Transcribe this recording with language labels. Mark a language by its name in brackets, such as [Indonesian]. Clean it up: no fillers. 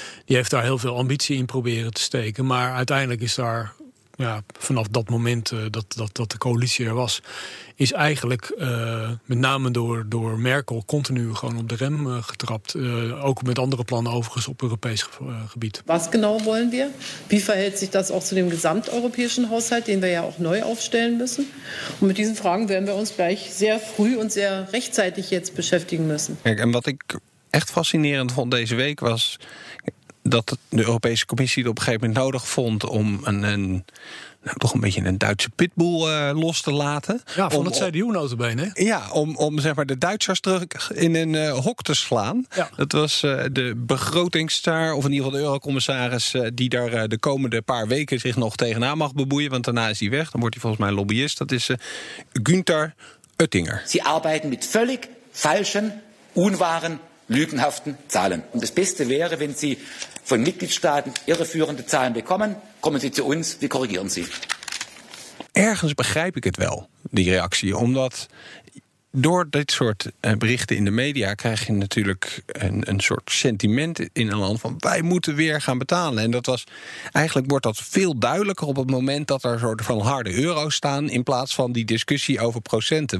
[Dutch] die heeft daar heel veel ambitie in proberen te steken. Maar uiteindelijk is daar... Ja, vanaf dat moment dat de coalitie er was... is eigenlijk met name door Merkel continu gewoon op de rem getrapt. Ook met andere plannen overigens op Europees gebied. [German] Wat genau wollen wir? Wie verhält sich das auch zu dem gesamteuropäischen Haushalt... den wir ja auch neu aufstellen müssen? Und mit diesen Fragen werden wir uns gleich sehr früh... und sehr rechtzeitig jetzt beschäftigen müssen. [Dutch] Kijk, en wat ik echt fascinerend vond deze week was... dat de Europese Commissie het op een gegeven moment nodig vond... om toch een beetje een Duitse pitbull los te laten. Ja, van het CDU notabene. Ja, om zeg maar de Duitsers terug in een hok te slaan. Ja. Dat was de begrotingsstaar, of in ieder geval de eurocommissaris... die daar de komende paar weken zich nog tegenaan mag bemoeien. Want daarna is hij weg, dan wordt hij volgens mij lobbyist. Dat is Günther Oettinger. [German] Sie arbeiten mit völlig falschen, unwahren... lügenhaften Zahlen. Und das Beste wäre, wenn Sie von Mitgliedstaaten irreführende Zahlen bekommen, kommen Sie zu uns, wir korrigieren Sie. [Dutch] Ergens begrijp ik het wel, die reactie, omdat door dit soort berichten in de media krijg je natuurlijk een soort sentiment in een land van wij moeten weer gaan betalen. En dat was eigenlijk wordt dat veel duidelijker op het moment dat er een soort van harde euro's staan in plaats van die discussie over procenten.